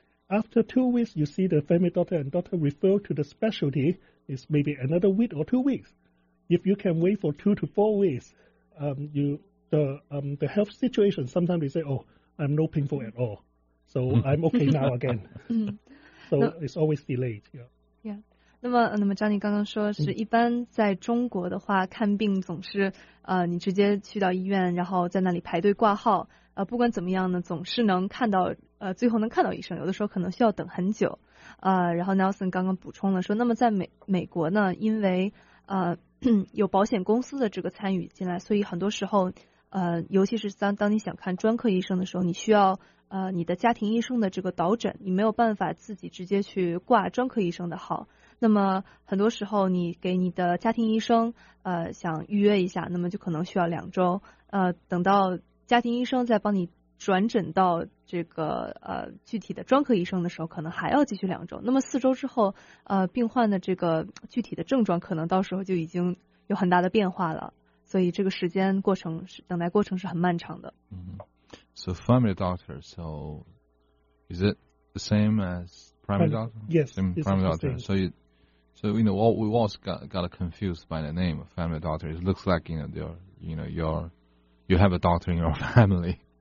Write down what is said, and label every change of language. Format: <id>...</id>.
<en>After 2 weeks, you see the family doctor and doctor refer to the specialty, it's maybe another week or 2 weeks. If you can wait for 2 to 4 weeks, the health situation, sometimes they say, oh, I'm no painful at all. So I'm okay now again. So no. It's always delayed. Yeah. Yeah.</en> <zh>那么张妮刚刚说是一般在中国的话看病总是你直接去到医院然后在那里排队挂号不管怎么样呢总是能看到最后能看到医生有的时候可能需要等很久然后 Nelson 刚刚补充了说那么在美国呢因为有保险公司的这个参与进来所以很多时候尤其是当你想看专科医生的时候你需要你的家庭医生的这个导诊你没有办法自己直接去挂专科医生的号那么很多时候你给你的家庭医生想预约一下那么就可能需要2周等到家庭医生再帮你转诊到这个具体的专科医生的时候可能还要继续2周那么4周之后病患的这个具体的症状可能到时候就已经有很大的变化了所以这个时间过程是等待过程是很漫长的。</zh> <en>So family doctor, so is it the same as... Primary doctor? Yes. Same primary doctor. So you know, we always got confused by the name of family doctor. It looks like, you have a doctor in your family.</en>